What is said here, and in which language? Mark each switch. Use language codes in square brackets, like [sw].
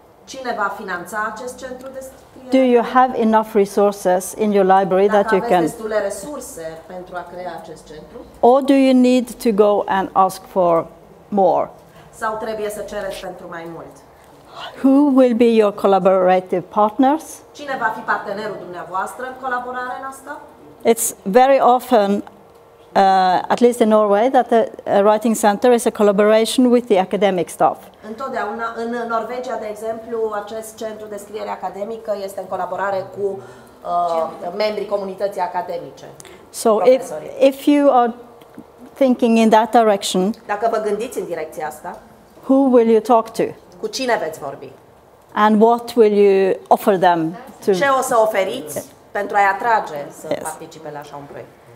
[ro] Cine va finanța acest centru de scriere? [en] Do you have enough resources in your library [ro] dacă [en] that you can [ro] aveți destule resurse pentru a crea acest centru? [en] Or do you need to go and ask for more? [ro] Sau trebuie să cereți pentru mai mult? [en] Who will be your collaborative partners? [ro] Cine va fi partenerul dumneavoastră în colaborare în asta? [en] It's very often, at least in Norway, that a writing center is a collaboration with the academic staff. [ro] Întotdeauna în Norvegia, de exemplu, acest centru de scriere academică este în colaborare cu membrii comunității academice. [en] So if you are thinking in that direction, [ro] dacă vă gândiți în direcția asta, [en] who will you talk to? [ro] Cu cine veți vorbi? [en] And what will you offer them to? [ro] Ce o să oferiți pentru a-i atrage să participe la așa un proiect?